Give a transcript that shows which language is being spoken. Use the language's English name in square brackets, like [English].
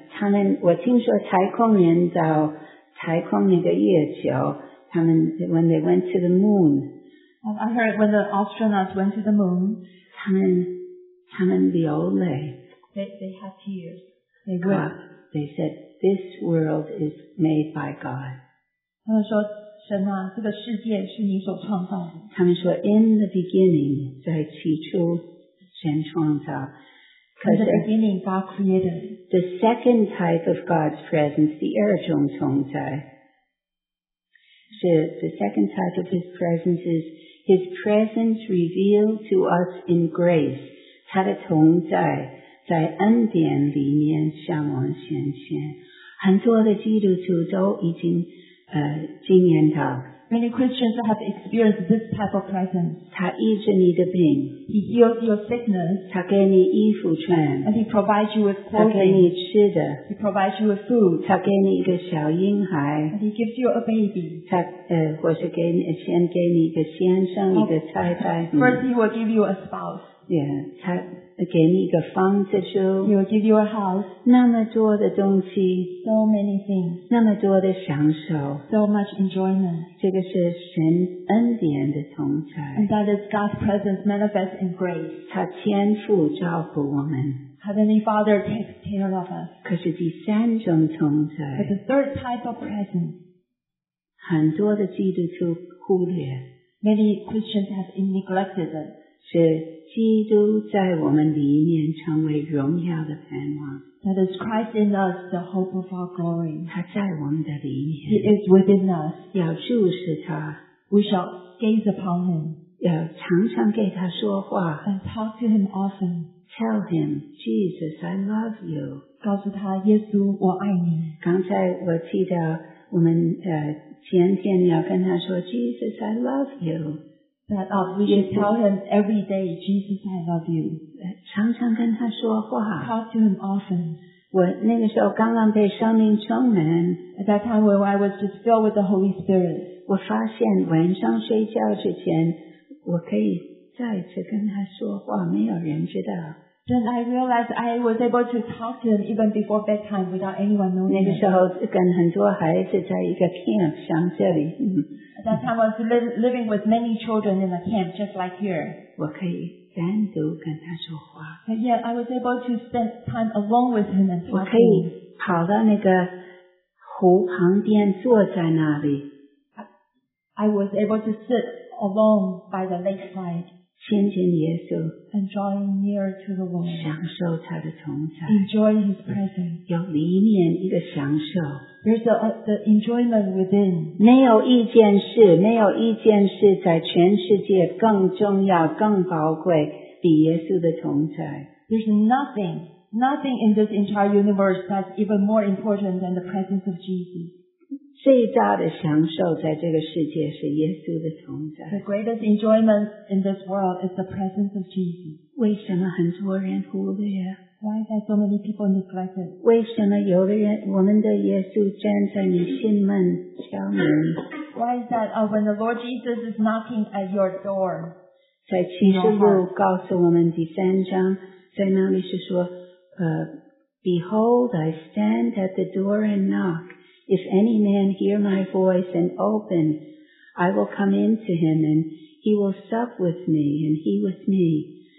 [Chinese] 他们我听说太空人到太空那个月球，他们 [English] when they went to the moon。 I heard when the astronauts went to the moon， [Chinese] 他们流泪。 [English] They had tears. They wept. They said, "This world is made by God." [Chinese] 他们说神啊，这个世界是你所创造的。他们说 [English] "In the beginning," [Chinese] 在起初神创造。 [English] In the beginning, God created. The second type of God's presence, the [Chinese] 二种存在，是 [English] the second type of His presence is His presence revealed to us in grace. [Chinese] 他的存在。在恩典里面向我显现，很多的基督徒都已经经验到。 [English] Many Christians have experienced this type of presence. [Chinese] 他医治你的病。 [English] He heals your sickness. [Chinese] 他给你衣服穿。 [English] And he provides you with clothing. [Chinese] 他给你吃的。 [English] He provides you with food. [Chinese] 他给你一个小婴孩。 [English] And he gives you a baby. [Chinese] 他或是给你先给你一个先生、一个太太。 [English] First he will give you a spouse. [Chinese] Yeah, 他。给你一个房子住 [English] He will give you a house [Chinese] 那么多的东西 [English] So many things [Chinese] 那么多的享受 [English] So much enjoyment [Chinese] 这个是神恩典的同在 [English] And that is God's presence manifest in grace [Chinese] 他天父照顾我们 [English] Heavenly Father takes care of us [Chinese] 可是第三种同在 [English] But the third type of presence [Chinese] 很多的基督徒忽略 [English] Many Christians have neglected it [Chinese] 是基督在我们里面成为荣耀的盼望。 [English] That is Christ in us, the hope of our glory. [Chinese] 他在我们的里面。 [English] He is within us. [Chinese] 要注视他。 [English] We shall gaze upon him. [Chinese] 要常常给他说话。 [English] And talk to him often. Tell him, Jesus, I love you. [Chinese] 告诉他，耶稣，我爱你。刚才我记得我们前天要跟他说 ， [English] Jesus, I love you。 That we should tell him every day, Jesus, I love you. [Chinese] 常常跟他说话。 [English] Talk to him often. [Chinese] 我那个时候刚刚被圣灵充满。 [English] At that time when I was just filled with the Holy Spirit. [Chinese] 我发现晚上睡觉之前，我可以再次跟他说话，没有人知道。 [English] Then I realized I was able to talk to him even before bedtime without anyone knowing. [Chinese] 那个时候跟很多孩子在一个 camp 像这里。 [English] At that time I was living with many children in a camp just like here. [Chinese] 我可以单独跟他说话。 [English] But yet I was able to spend time alone with him and talk to him. [Chinese] 我可以跑到那个湖旁边坐在那里。 [English] I was able to sit alone by the lakeside. [Chinese] 亲近耶稣 [English] ，and drawing near to the Lord， [Chinese] 享受他的同在 [English] ，enjoy His presence， [Chinese] 有里面一个享受 [English] ，there's the enjoyment within。 [Chinese] 没有一件事，没有一件事在全世界更重要、更宝贵，比耶稣的同在。 [English] There's nothing in this entire universe that's even more important than the presence of Jesus。 [Chinese] 最大的享受在这个世界是耶稣的同在。 [English] The greatest enjoyment in this world is the presence of Jesus. [Chinese] 为什么很多人忽略 [English] ？Why are so many people neglected? [Chinese] 为什么有的人，我们的耶稣站在你心门敲门 [English] ？Why is that? When the Lord Jesus is knocking at your door? [Chinese] 在启示录告诉我们第三章，在那里是说， [English] Behold, I stand at the door and knock. If any man hear my voice and open, I will come in to him and he will sup with me and he with me.